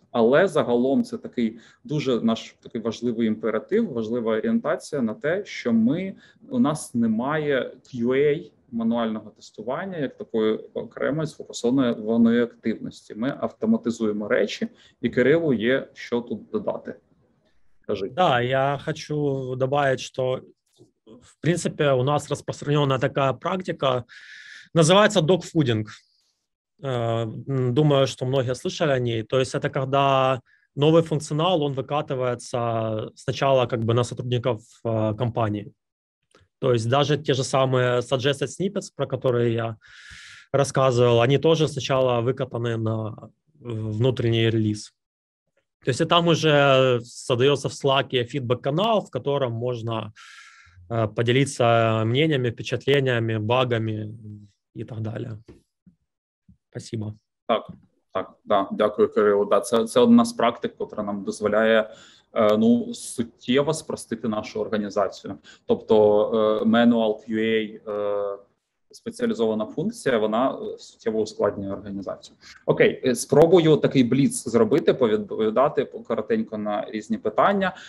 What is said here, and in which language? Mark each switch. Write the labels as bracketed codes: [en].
[uk] Але загалом це такий дуже наш такий важливий імператив, важлива орієнтація на те, що у нас немає QA, мануального тестування, як такої окремої сфокусованої активності. Ми автоматизуємо речі, і Кирилу є що тут додати. Кажи. [ru] Да, я хочу добавить, что в принципе у нас распространена такая практика, называется догфудинг. Думаю, что многие слышали о ней. То есть это когда новый функционал, он выкатывается сначала как бы на сотрудников компании. То есть даже те же самые suggested snippets, про которые я рассказывал, они тоже сначала выкатаны на внутренний релиз. То есть и там уже создается в Slack фидбэк-канал, в котором можно поделиться мнениями, впечатлениями, багами и так далее. Спасибо. [uk] Так, да, дякую, Кирилл. Да, це одна з практик, котра нам дозволяє, ну, суттєво спростити нашу організацію. Тобто manual QA, спеціалізована функція, вона суттєво ускладнює організацію. Окей, спробую такий бліц зробити, повідповідати коротенько на різні питання.